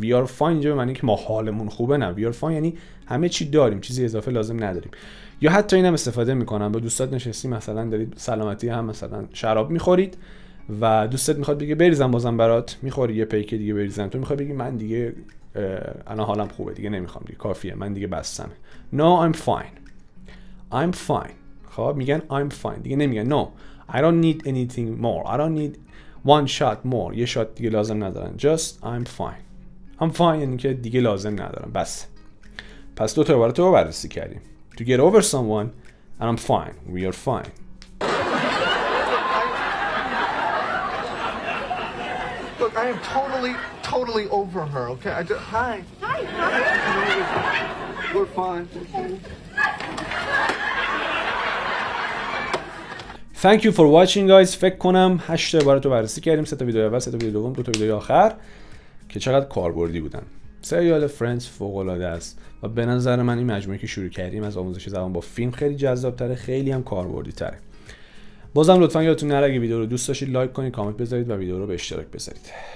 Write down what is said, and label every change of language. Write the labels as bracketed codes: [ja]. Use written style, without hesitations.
[en] We are fine [fa] اینجا به معنی که ما حالمون خوبه، نه. We are fine یعنی همه چی داریم، چیزی اضافه لازم نداریم. یا حتی اینم استفاده میکنم با دوستات نشستی، مثلا دارید سلامتی هم مثلا شراب میخورید و دوستت میخواد بگه بریزم بازم برات، میخوری یه پیک دیگه بریزم، تو میخوای بگی من دیگه الان حالم خوبه، دیگه نمیخوام، دیگه کافیه، من دیگه بستم. [en] No I'm fine. I'm fine. [fa] خب میگن [en] I'm fine، [fa] دیگه نمیگن [en] No I don't need anything more. I don't need one shot more. [fa] یه شات دیگه لازم ندارن. [en] Just I'm fine. I'm fine [fa] یعنی که دیگه لازم ندارم، بس. پس دو تا عبارت رو بررسی کردیم. [en] To get over someone and I'm fine. We are fine. I am totally over her, okay? Hi. We're fine. Thank you for watching guys. [fa] فکر کنم 8 عبارت رو بررسی کردیم، 3 تا ویدیو اول، 3 تا ویدیو دوم، 2 تا ویدیو آخر که چقدر کاربردی بودن. سریال فرندز فوق‌العاده است و به نظر من این مجموعه که شروع کردیم از آموزش زبان با فیلم خیلی جذاب‌تره، خیلی هم کاربردی‌تره. بازم لطفاً یادتون نره اگه ویدیو رو دوست داشتید لایک کنید، کامنت بذارید و ویدیو رو به اشتراک بذارید.